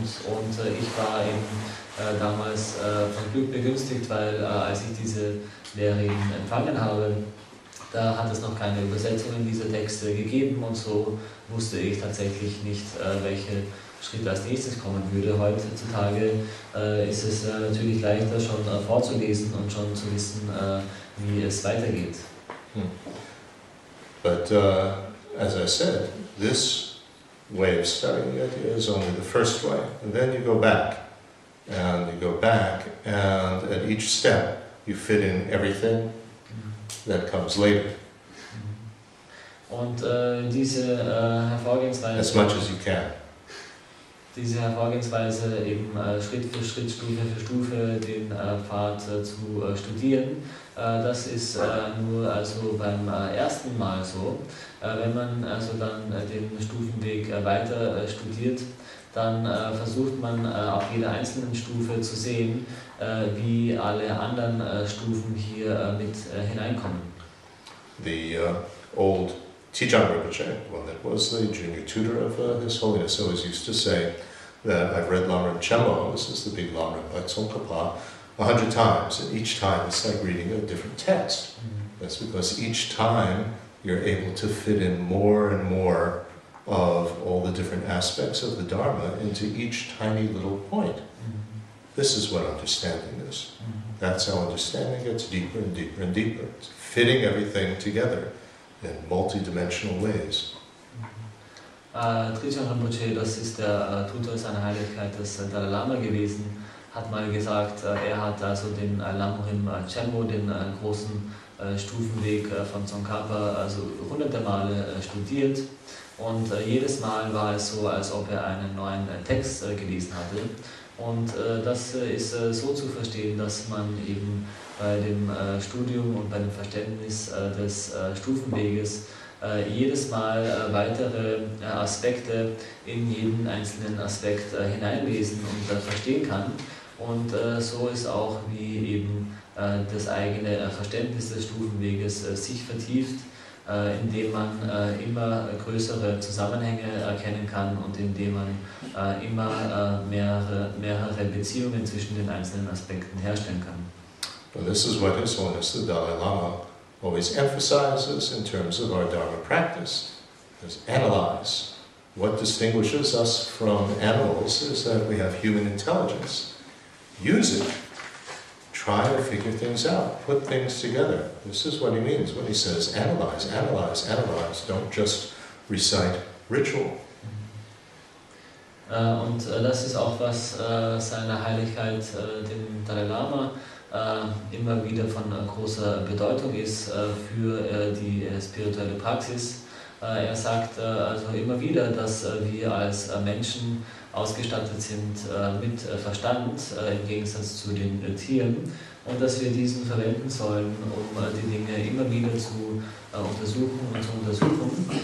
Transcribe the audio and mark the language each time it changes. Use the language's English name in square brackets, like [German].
[German] Und ich war eben damals von Glück begünstigt, weil als ich diese Lehre eben empfangen habe, da hat es noch keine Übersetzungen dieser Texte gegeben und so wusste ich tatsächlich nicht, welche Schritt als nächstes kommen würde. Heutzutage ist es natürlich leichter, schon vorzulesen und schon zu wissen, wie es weitergeht. [English] But as I said, this way of studying the idea is only the first way. And then you go back, and you go back, and at each step you fit in everything that comes later. [German] Und diese Vorgehensweise, [English] as much as you can. [German] Diese Vorgehensweise, eben Schritt für Schritt, Stufe für Stufe den Pfad zu studieren, das ist nur also beim ersten Mal so. Wenn man also dann den Stufenweg weiter studiert, dann versucht man auf jeder einzelnen Stufe zu sehen, wie alle anderen Stufen hier mit hineinkommen. [English] The old Tijan Rinpoche, one that was the junior tutor of His Holiness, always used to say that I've read Lamrim Chelo, this is the big Lamrim by Tsongkhapa, 100 times, and each time it's like reading a different text. That's because each time you're able to fit in more and more of all the different aspects of the Dharma into each tiny little point. This is what understanding is. That's how understanding gets deeper and deeper and deeper. It's fitting everything together in multi-dimensional ways. [German] Trichon Rinpoche, das ist der Tutor seiner Heiligkeit, des Dalai Lama gewesen, hat mal gesagt, er hat also den Lamrim Chenmo, den großen Stufenweg von Tsongkhapa, also hunderte Male studiert. Und jedes Mal war es so, als ob er einen neuen Text gelesen hatte. Und das ist so zu verstehen, dass man eben bei dem Studium und bei dem Verständnis des Stufenweges jedes Mal weitere Aspekte in jeden einzelnen Aspekt hineinlesen und verstehen kann. Und so ist auch, wie eben das eigene Verständnis des Stufenweges sich vertieft, indem man immer größere Zusammenhänge erkennen kann und indem man immer mehrere Beziehungen zwischen den einzelnen Aspekten herstellen kann. [English] Well, this is what His Holiness the Dalai Lama always emphasizes in terms of our Dharma practice, is analyze. What distinguishes us from animals is that we have human intelligence. Use it. Try to figure things out. Put things together. This is what he means when he says analyze, analyze, analyze. Don't just recite ritual. [German] Und das ist auch was seiner Heiligkeit, dem Dalai Lama, immer wieder von großer Bedeutung ist für die spirituelle Praxis. Er sagt also immer wieder, dass wir als Menschen ausgestattet sind mit Verstand im Gegensatz zu den Tieren und dass wir diesen verwenden sollen, um die Dinge immer wieder zu untersuchen und zu untersuchen.